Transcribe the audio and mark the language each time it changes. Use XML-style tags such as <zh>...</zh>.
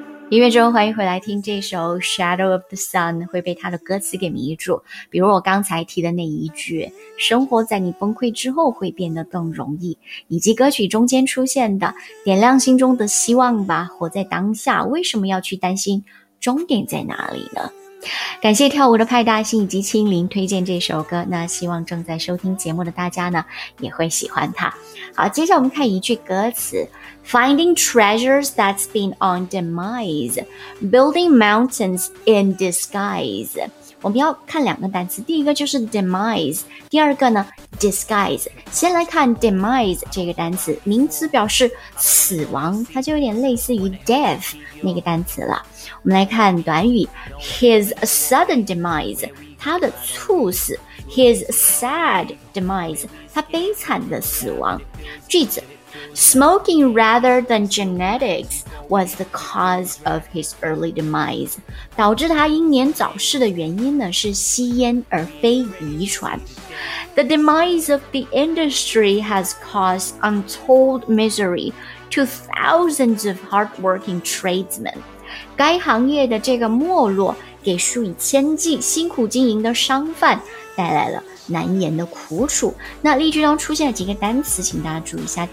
<zh>音乐中欢迎回来听这首 Shadow of the Sun， 会被他的歌词给迷住，比如我刚才提的那一句，生活在你崩溃之后会变得更容易，以及歌曲中间出现的点亮心中的希望吧，活在当下，为什么要去担心终点在哪里呢？感谢跳舞的派大星以及青林推荐这首歌，那希望正在收听节目的大家呢也会喜欢它。好，接下来我们看一句歌词，</zh> <en>Finding treasures that's been on demise, building mountains in disguise。</en> <zh>我们要看两个单词，第一个就是 demise, 第二个呢 disguise。先来看 demise 这个单词，名词表示死亡，它就有点类似于 death 那个单词了。我们来看短语</zh> <en>His sudden demise,</en> <zh>他的猝死。</zh> <en>His sad demise,</en> <zh>他悲惨的死亡。</zh> <en>句子， Smoking rather than genetics was the cause of his early demise.</en> <zh>导致他英年早逝的原因呢是吸烟而非遗传。</zh> <en>The demise of the industry has caused untold misery to thousands of hardworking tradesmen.</en> <zh>该行业的这个没落给数以千计辛苦经营的商贩带来了难言的苦楚。那例句中出现了几个单词，请大家注意一下。</zh>